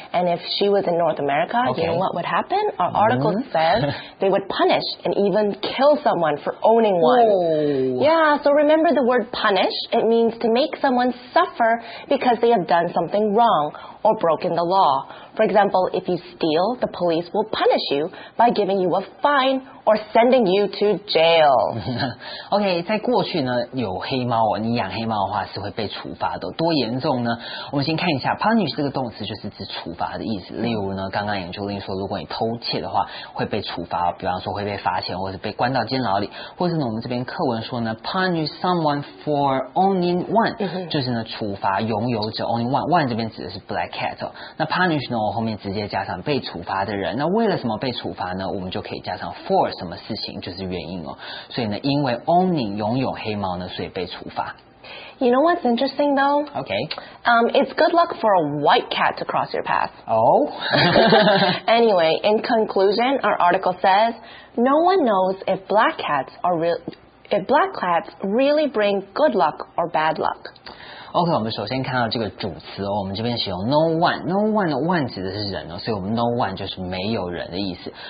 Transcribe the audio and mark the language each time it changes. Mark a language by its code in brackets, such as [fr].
[en] And if she was in North America, okay. You know what would happen? Our article says they would punish and even kill someone for owning one. Whoa. Yeah, so remember the word punish? It means to make someone suffer because they have done something wrong or broken the law. For example, if you steal, the police will punish you by giving you a fine or sending you to jail. [zh] Okay, 在过去呢，有黑猫哦，你养黑猫的话是会被处罚的。多严重呢？我们先看一下 ，punish 这个动词就是指处罚的意思。例如呢，刚刚研究令说，如果你偷窃的话会被处罚，比方说会被罚钱，或是被关到监牢里，或是呢，我们这边课文说呢 ， [en] punish someone for owning one， [zh] 就是呢，处罚拥有者 owning one 这边指的是 black cat 哦。那 punish 呢，我后面直接加上被处罚的人。那为了什么被处罚呢？我们就可以加上 for。什么事情就是原因哦，所以呢，因为 owning 拥有黑猫呢，所以被处罚。 [en] You know what's interesting though? Okay. It's good luck for a white cat to cross your path. Oh. Anyway, in conclusion, our article says no one knows if black cats are real. If black cats really bring good luck or bad luck. [zh] Okay, 我们首先看到这个主词哦，我们这边使用 no one， no one 的 one 指的是人哦，所以我们 no one 就是没有人的意思。